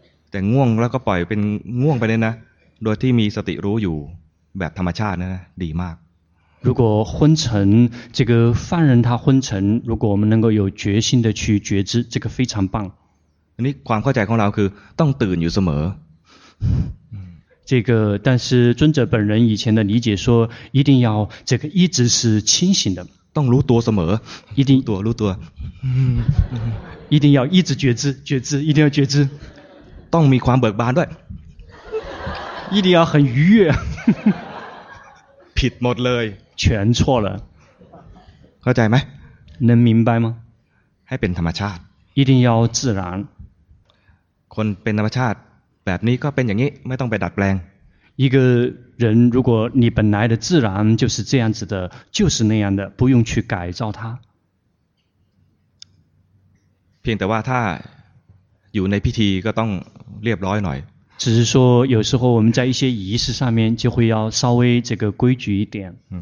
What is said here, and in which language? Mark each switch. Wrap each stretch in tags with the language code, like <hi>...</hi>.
<th>แต่ง่วงแล้วก็ปล่อยเป็นง่วงไปเลยนะโดยที่มีสติรู้อยู่แบบธรรมชาตินะดีมาก รู้ก็</th> <zh>昏沉这个犯人他昏沉如果我们能够有决心的去觉知这个非常棒</zh> <th>นี่ความเข้าใจของเราคือต้องตื่นอยู่เสม</th> <zh>อ这个但是尊者本人以前的理解说一定要这个一直是清醒的</zh> <th>ต้องรู้ตัวเสม</th> <zh>อ一定</zh> <th>ตัวรู้ตัว</th> <zh>一定要一直觉知一定要觉知</zh> <th>ต้องมีความเบิกบานด้วย</th> <zh>一定要很愉悦</zh> <th>ผิดหมดเลย</th> <zh>全错了</zh> <th>เข้าใจไหม</th> <zh>能明白吗</zh> <th>ให้เป็นธรรมชาติ</th> <zh>一定要自然</zh> <th>คนเป็นธรรมชาติแบบนี้ก็เป็นอย่างนี้ไม่ต้องไปดัดแปลง</th> <zh>一个人如果你本来的自然就是这样子的就是那样的不用去改造它</zh> <th>เพียงแต่ว่าถ้าอยู่ในพิธีก็ต้องเรียบร้อยหน่อย</th> <zh>只是说有时候我们在一些仪式上面就会要稍微这个规矩一点</zh>